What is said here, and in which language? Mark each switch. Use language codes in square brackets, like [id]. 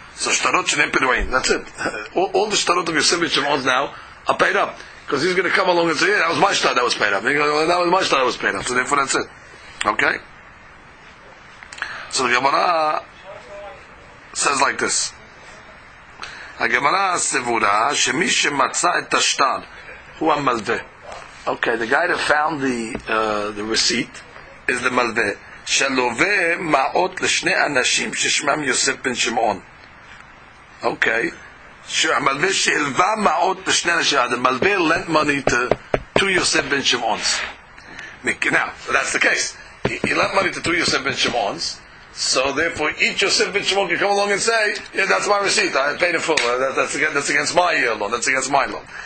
[en] So shtarot shel Pinuim. That's it. All the shtarot of Yosef ben Shimon now are paid up. Because he's going to come along and say, yeah, that was my shtar that was paid up. And he goes, well, that was my shtar that was paid up. So therefore that's it. Okay? So the Gemara says like this. [he] הגמרא סבורה שמי שמצא את השטר הוא המלווה. [en] Okay, the guy that found the receipt is the מלווה. [he] שלווה מעות לשני אנשים ששמם יוסף בן שמעון. Okay. שהמלווה שהלווה מעות לשני אנשים. [en] The מלווה lent money to יוסף בן שמעון. Now, that's the case. He lent money to two יוסף בן שמעון. So therefore, each Yosef ben Shimon can come along and say, yeah, that's my receipt, I paid in full, that's against my loan.